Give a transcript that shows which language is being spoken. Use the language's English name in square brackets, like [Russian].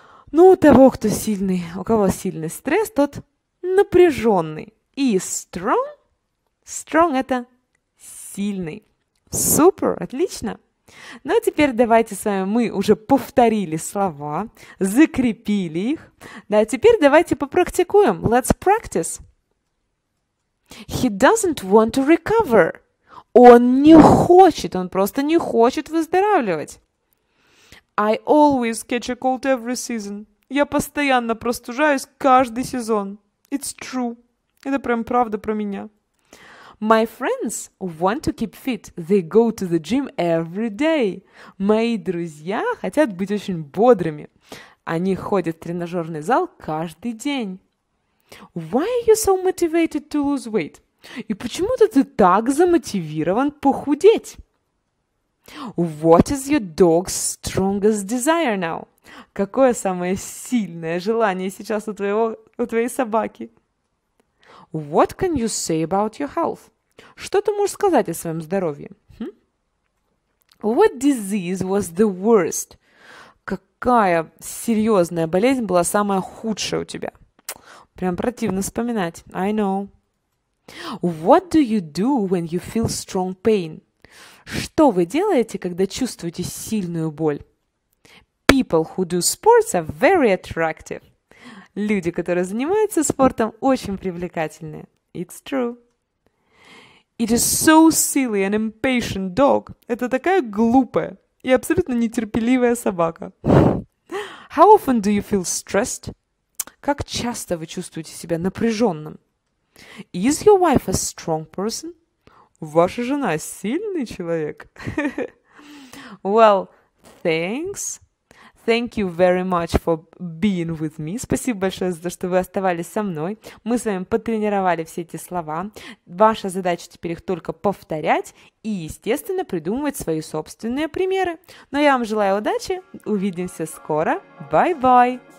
[Russian] Ну, у того, кто сильный, у кого сильный стресс, тот напряженный. И strong, strong – это сильный. Супер, отлично. Ну, а теперь давайте с вами, мы уже повторили слова, закрепили их. Да, теперь давайте попрактикуем. [English] Let's practice. He doesn't want to recover. [Russian] Он не хочет, он просто не хочет выздоравливать. [English] I always catch a cold every season. [Russian] Я постоянно простужаюсь каждый сезон. [English] It's true. [Russian] Это прям правда про меня. [English] My friends want to keep fit. They go to the gym every day. [Russian] Мои друзья хотят быть очень бодрыми. Они ходят в тренажерный зал каждый день. [English] Why are you so motivated to lose weight? [Russian] И почему-то ты так замотивирован похудеть. [English] What is your dog's strongest desire now? [Russian] Какое самое сильное желание сейчас у твоей собаки? [English] What can you say about your health? [Russian] Что ты можешь сказать о своем здоровье? [English] What disease was the worst? [Russian] Какая серьезная болезнь была самая худшая у тебя? Прям противно вспоминать. [English] I know. What do you do when you feel strong pain? [Russian] Что вы делаете, когда чувствуете сильную боль? [English] People who do sports are very attractive. [Russian] Люди, которые занимаются спортом, очень привлекательные. [English] It's true. It is so silly and impatient dog. [Russian] Это такая глупая и абсолютно нетерпеливая собака. [English] How often do you feel stressed? [Russian] Как часто вы чувствуете себя напряженным? [English] Is your wife a strong person? [Russian] Ваша жена сильный человек. [English] Well, thanks. Thank you very much for being with me. [Russian] Спасибо большое за то, что вы оставались со мной. Мы с вами потренировали все эти слова. Ваша задача теперь их только повторять и, естественно, придумывать свои собственные примеры. Но я вам желаю удачи. Увидимся скоро. Bye-bye.